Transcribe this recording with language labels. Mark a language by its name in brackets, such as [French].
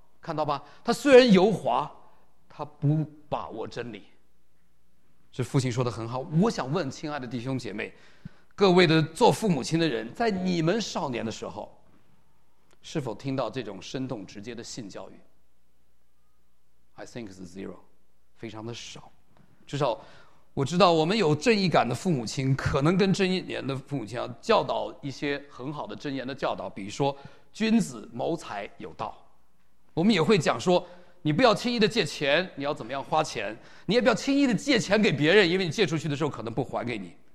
[Chinese] 看到吧，他虽然油滑，他不把握真理。这父亲说得很好。我想问亲爱的弟兄姐妹，各位的做父母亲的人，在你们少年的时候是否听到这种生动直接的性教育？ [English] I think it's zero， [Chinese] 非常的少。至少我知道我们有正义感的父母亲，可能跟正义年的父母亲要教导一些很好的箴言的教导，比如说君子谋财有道。我们也会讲说，你不要轻易的借钱，你要怎么样花钱，你也不要轻易的借钱给别人，因为你借出去的时候可能不还给你。